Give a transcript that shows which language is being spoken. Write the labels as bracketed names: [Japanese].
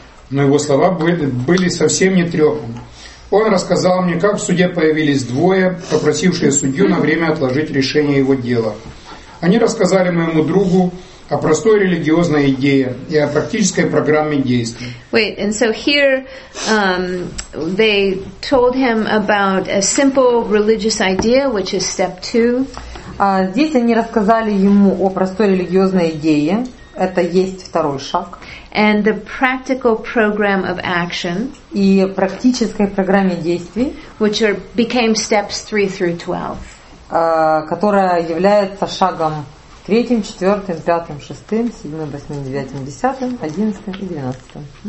[Russian] Но его слова были совсем не трепом. Он рассказал мне, как в суде появились двое, попросившие судью на время отложить решение его дела. Они рассказали моему другу, о простой религиозной идее и о практической программе действий. [English] Wait, and so here they told him about a simple religious idea, which is step two. [Russian] Здесь они рассказали ему о простой религиозной идее. Это есть второй шаг. [English] And the practical program of action. [Russian] И практической программе действий. [English] Which are, became steps 3 through 12. [Russian] Которая является шагом третьим, четвертым, пятым, шестым, седьмым, восьмым, девятым, десятым, одиннадцатым и двенадцатым.